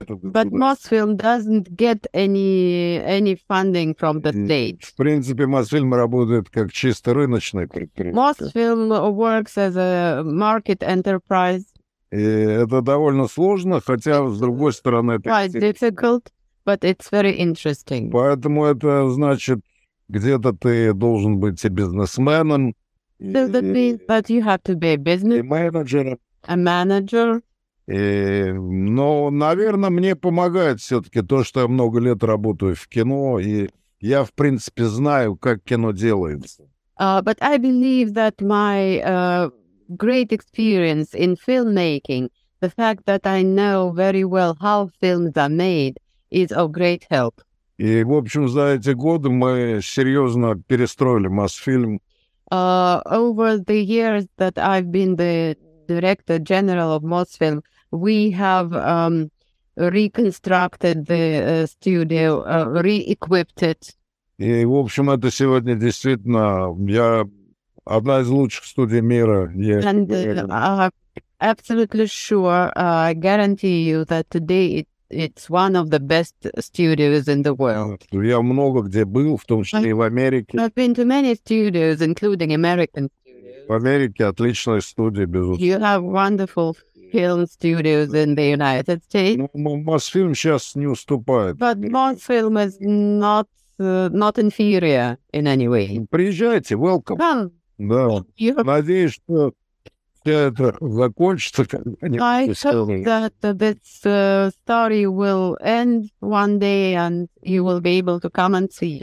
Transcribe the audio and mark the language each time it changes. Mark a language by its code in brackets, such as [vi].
[en] But Мосфильм doesn't get any funding from the state. [ru] В принципе, Мосфильм работает как чисто рыночное предприятие. [en] Мосфильм works as a market enterprise. [ru] И это довольно сложно, хотя с другой стороны это [en] quite difficult, but it's very interesting. [ru] Поэтому это значит, где-то ты должен быть бизнесменом. [en] So that means that you have to be a business manager. A manager. [ru] Но, наверное, мне помогает все-таки то, что я много лет работаю в кино, и я, в принципе, знаю, как кино делается. [en] But I believe that my great experience in filmmaking, the fact that I know very well how films are made, is of great help. [ru] И, в общем, за эти годы мы серьезно перестроили Мосфильм. [en] Over the years that I've been the director general of Mosfilm, we have reconstructed the studio, re-equipped it. [ru] И, в общем, это сегодня действительно, я одна из лучших студий мира. [en] And I'm absolutely sure, I guarantee you that today it's one of the best studios in the world. [ru] Я много где был, в том числе и в Америке. [en] I've been to many studios, including American studios. [ru] В Америке отличная студия, безусловно. [en] You have wonderful film studios in the United States. Mosfilm just new stupid. But Mosfilm is not inferior in any way. [ru] Приезжайте, [en] welcome. Come. [ru] Да. Надеюсь, что все это закончится когда-нибудь. [en] I hope that this story will end one day and you will be able to come and see.